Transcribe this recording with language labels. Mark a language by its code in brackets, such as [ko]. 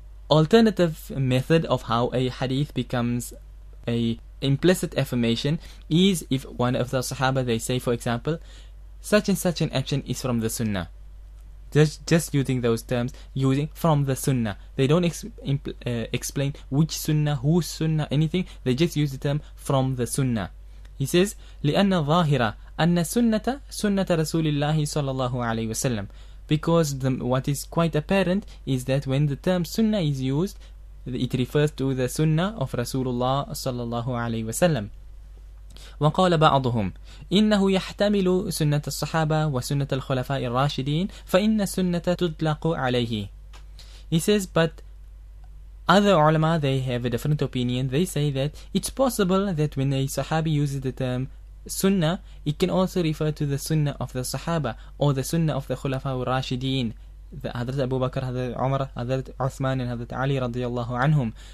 [en] Alternative method of how a hadith becomes a implicit affirmation is if one of the sahaba, they say, for example, such and such an action is from the sunnah. Just using those terms, using from the sunnah. They don't explain which sunnah, whose sunnah, anything. They just use the term from the sunnah. [ar] He says, لأن ظاهرة أن السنة سنة رسول الله صلى الله عليه وسلم. [en] Because what is quite apparent is that when the term sunnah is used, it refers to the sunnah of Rasulullah sallallahu alayhi wasallam. [ar] وقال بعضهم إنه يحتمل سنة الصحابة وسنة الخلفاء الراشدين فإن السنة تطلق عليه. [en] He says, but other ulama, they have a different opinion. They say that it's possible that when a sahabi uses the term sunnah, it can also refer to the sunnah of the sahaba or the sunnah of the khulafa wa rashideen, the Hadrat Abu Bakr, Hadrat Umar, Hadrat Uthman, and Hadrat Ali radiyallahu anhum.